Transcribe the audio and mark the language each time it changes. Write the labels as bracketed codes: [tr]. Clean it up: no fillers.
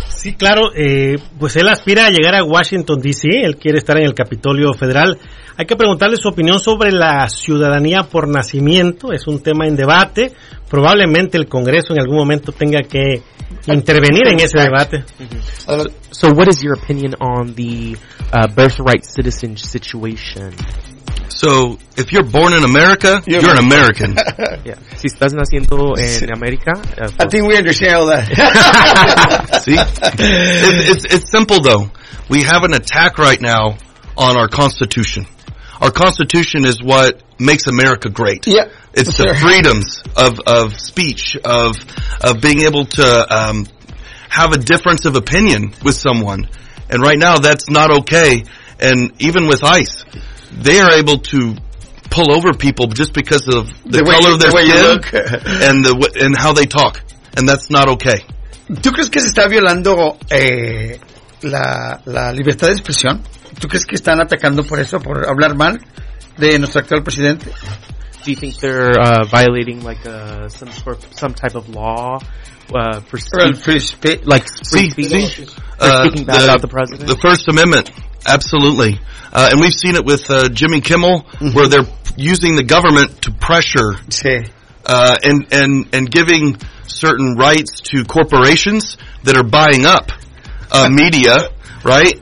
[es] Sí, claro. Pues él aspira a llegar a Washington, D.C. Él quiere estar en el Capitolio Federal. Hay que preguntarle su opinión sobre la ciudadanía por nacimiento. Es un tema en debate. Probablemente el Congreso en algún momento tenga que intervenir en ese debate. [en] So what is your opinion on the birthright citizen situation? So if you're born in America, you're an American. [es] Si estás naciendo en América, [en] I think we understand all that. See? It's simple though. We have an attack right now on our Constitution. Our Constitution is what makes America great. Yeah, it's the freedoms of speech, of being able to have a difference of opinion with someone. And right now, that's not okay. And even with ICE, they are able to pull over people just because of the color of their skin and how they talk. And that's not okay. [es] ¿Tú crees que se está violando la libertad de expresión? ¿Tú crees que están atacando por eso, por hablar mal de nuestro actual presidente? [en] Do you think they're violating like some type of law for speech, about the president? The First Amendment, absolutely. And we've seen it with Jimmy Kimmel, mm-hmm. where they're using the government to pressure and giving certain rights to corporations that are buying up media, right?